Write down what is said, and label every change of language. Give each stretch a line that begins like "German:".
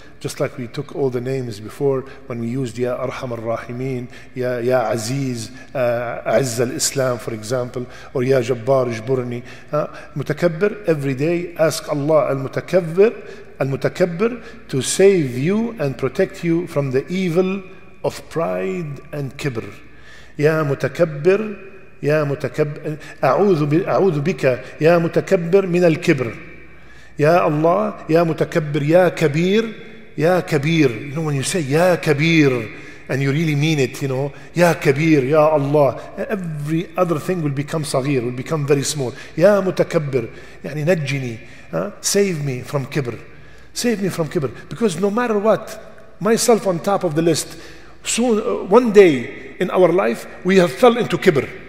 English: Just like we took all the names before, when we used Ya Arham al-Rahimeen, Ya Aziz, Azza al-Islam, for example, or Ya Jabbar Jburni. Mutakabbir, every day, ask Allah al-Mutakabbir to save you and protect you from the evil of pride and kibr.
Arabic: Ya Mutakabbir, يا متكبر أعوذ بك يا متكبر من الكبر يا الله يا متكبر يا كبير يا كبير.
English: You know when you say يا كبير and you really mean it, you know,
Arabic: يا كبير يا الله,
English: every other thing will become صغير, will become very small.
Arabic: يا متكبر يعني نجني,
English: save me from كبر, save me from كبر. Because no matter what, myself on top of the list, soon one day in our life we have fell into كبر.